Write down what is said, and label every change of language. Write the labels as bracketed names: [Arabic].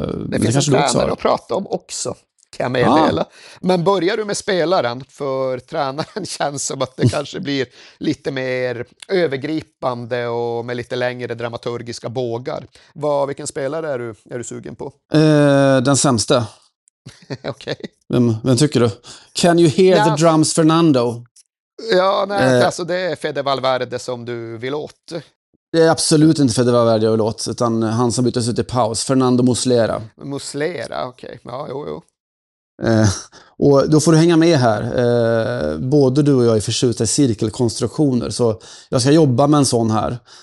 [Swedish] Det finns kanske en tränare att prata om också. Kan jag meddela. Men börjar du med spelaren, för tränaren känns som att det kanske blir lite mer övergripande och med lite längre dramaturgiska bågar. Vilken spelare är du sugen på? Den sämsta. Okej. Okay. Vem tycker du? [English] Can you hear the drums, Fernando? [Swedish] Ja, nej, alltså det är Fede Valverde som du vill åt. Det är absolut inte Fede Valverde jag vill åt, utan han som byttes ut i paus. Fernando Muslera. Muslera, okej. Okay. Ja, jo. Och då får du hänga med här. Både du och jag är förtjusta i cirkelkonstruktioner, så jag ska jobba med en sån här.